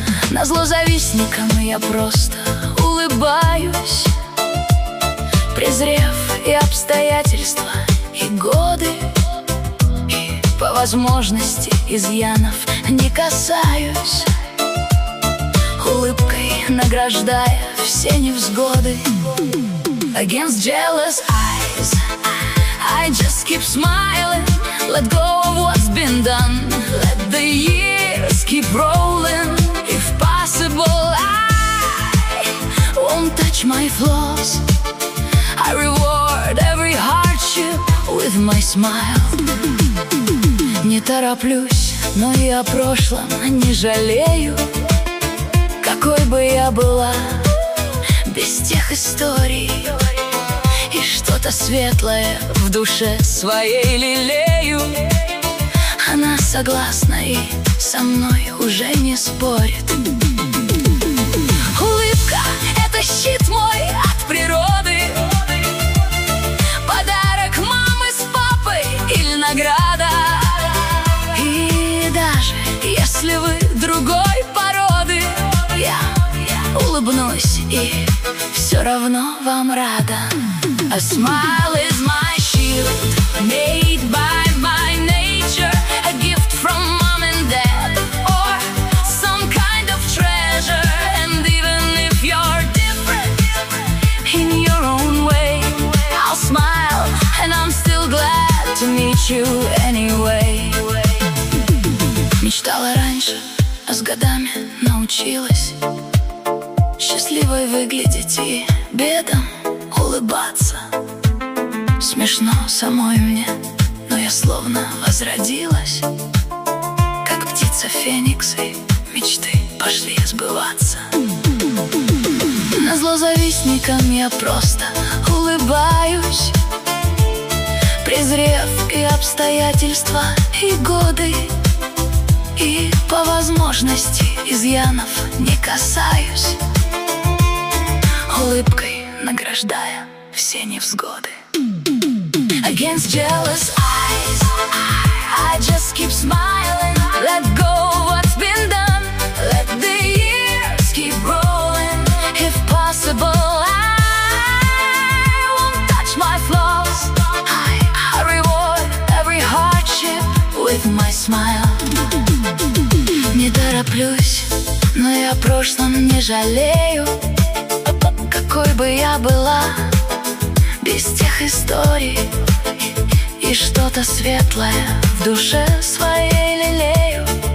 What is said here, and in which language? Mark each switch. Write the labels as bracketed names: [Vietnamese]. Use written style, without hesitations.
[Russian] Назло завистникам я просто улыбаюсь, презрев и обстоятельства, и годы, и по возможности изъянов не касаюсь, улыбкой награждая все невзгоды. [English] Against jealous eyes, I just keep smiling. Let go of what's been done. Let the years keep rolling. If possible, I won't touch my flaws. I reward every hardship with my smile. [Russian] Не тороплюсь, но и о прошлом не жалею. Какой бы я была без тех историй, и что-то светлое в душе своей лелею. Она согласна и со мной уже не спорит. Улыбка — это щит мой от природы, подарок мамы с папой или награда. И даже если вы другой породы, я улыбнусь и все равно вам рада. [English] A smile is my shield, made by my nature, a gift from mom and dad, or some kind of treasure. And even if you're different in your own way, I'll smile and I'm still glad to meet you anyway. [Russian] Мечтала раньше, а с годами научилась счастливой выглядеть и бедом улыбаться. Смешно самой мне, но я словно возродилась, как птица фениксы, мечты пошли сбываться. Назло завистникам я просто улыбаюсь, презрев и обстоятельства, и годы, и по возможности изъянов не касаюсь, улыбкой награждая все невзгоды. [English] Against jealous eyes, I just keep smiling. Let go of what's been done. Let the years keep rolling. If possible, I won't touch my flaws. I reward every hardship with my smile. [Russian] Не тороплюсь, но я о прошлом не жалею. Какой бы я была без тех историй, и что-то светлое в душе своей лелею.